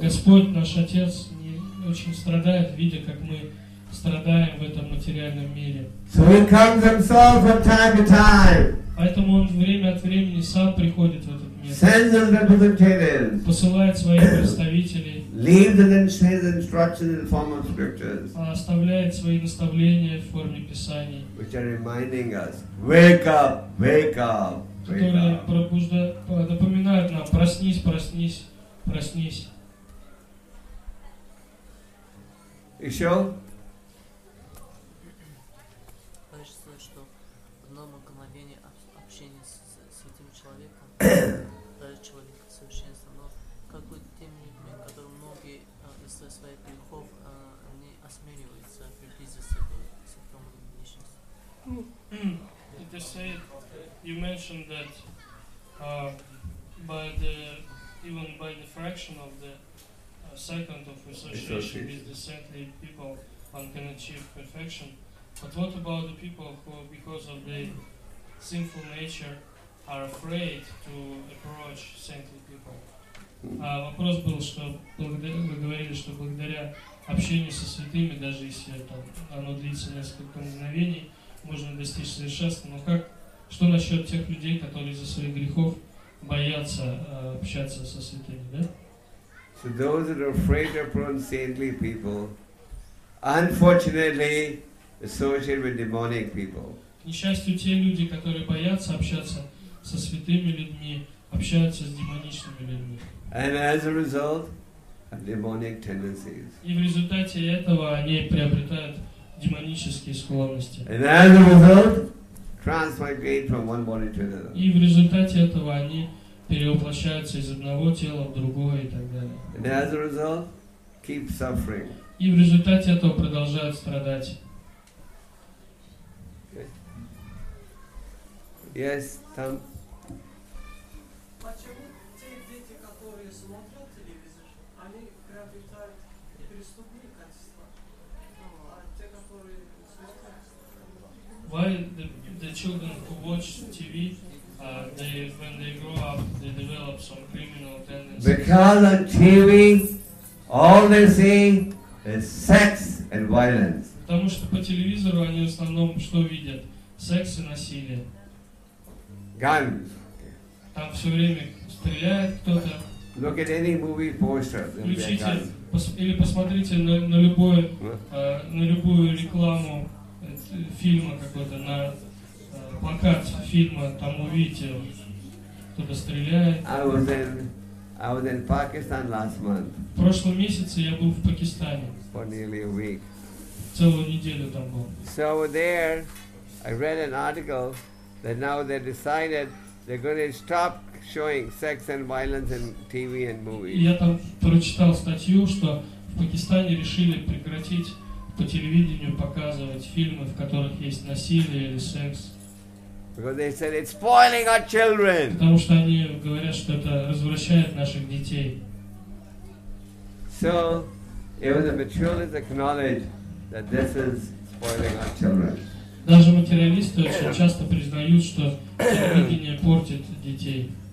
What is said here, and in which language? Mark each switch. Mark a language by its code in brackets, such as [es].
[ru] Господь наш отец очень страдает, видя, как мы страдаем в этом материальном мире. [en] So he comes himself from time to time. [ru] Поэтому он время от времени сам приходит в этот мир. [en] Sends his representatives. [ru] Посылает своих представителей. [en] Leaves and sends instructions in the form of scriptures. [ru] Оставляет свои наставления в форме писаний. [en] Which are reminding us, wake up, wake up. [ru] Которые напоминают нам, проснись. Еще? Хочу сказать, что в одном мгновении общения с святым человеком, даже человек совершенства, но как бы тем людьми, которые многие из своих грехов, они осмеливаются приблизиться к святому личности. [en] You mentioned that by the fraction of the second of association with the saintly people, one can achieve perfection. But what about the people who, because of their sinful nature, are afraid to approach saintly people? [ru] Вопрос был, что вы говорили, что благодаря общению со святыми, даже если оно длится несколько мгновений, можно достичь совершенства, но как? Что насчет тех людей, которые из-за своих грехов боятся общаться со святыми, да? [en] So those that are afraid of saintly people, unfortunately, associate with demonic people. [ru] К несчастью, те люди, которые боятся общаться со святыми людьми, общаются с демоничными людьми. [en] And as a result, have demonic tendencies. [ru] И в результате этого они приобретают демонические склонности. [en] And as a result, transmigrate from one body to another. [ru] И в результате этого они перевоплощаются из одного тела в другое и так далее. [en] And as a result, keep suffering. [ru] И в результате этого продолжают страдать. [en] Okay. Yes, Tom. [ru] Почему те дети, которые смотрят телевизор, они приобретают преступные качества? А те, которые [en] Why the children who watch TV, when they grow up, they develop some criminal tendencies? Because on TV, all they see is sex and violence. [ru] Потому что по телевизору они в основном что видят? Секс и насилие. [en] Guns. [ru] Там все время стреляет кто-то. [en] Look at any movie poster. [ru] Включите или посмотрите на любую рекламу фильма какой-то, на плакат фильма, там увидите, кто-то стреляет. [en] I was in Pakistan last month. [ru] В прошлом месяце я был в Пакистане. [en] For nearly a week. [ru] Целую неделю там был. [en] So there, I read an article that now they decided they're going to stop showing sex and violence in TV and movies. [ru] Я там прочитал статью, что в Пакистане решили прекратить по телевидению показывать фильмы, в которых есть насилие или секс. [en] Because they said it's spoiling our children. [ru] Потому что они говорят, что это развращает наших детей. [en] So, even the materialists acknowledge that this is spoiling our children. [ru] Даже материалисты очень часто признают, что телевидение портит детей.